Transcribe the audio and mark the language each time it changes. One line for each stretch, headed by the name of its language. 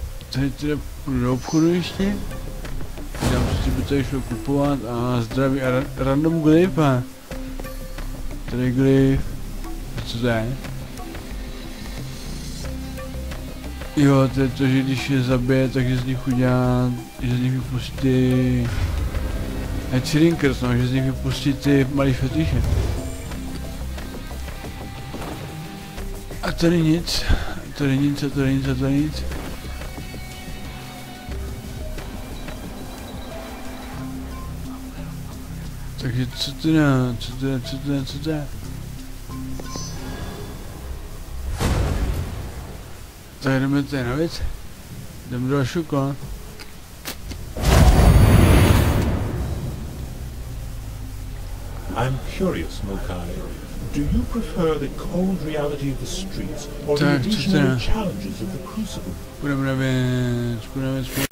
Czech: Tady teda půjdu do obchodu ještě. Dám si, by tady šlo kupovat a zdraví a random glyph a... Tady glyph. Co to je? Jo, to je to, že když je zabije, takže z nich udělá, že z nich vypustí ty... Headshrinkers, no, že z nich vypustí ty malý fetiše. A tady nic, tady nic, tady nic, tady nic. Takže co to je, co to je, co to je, co to je? Tak jdeme tady na věc. Jdeme do Ašuka.
English: I'm curious, Mokai. Do you prefer the cold reality of the streets or the additional challenges of the crucible?
Czech: Budeme na věc, budeme na věc.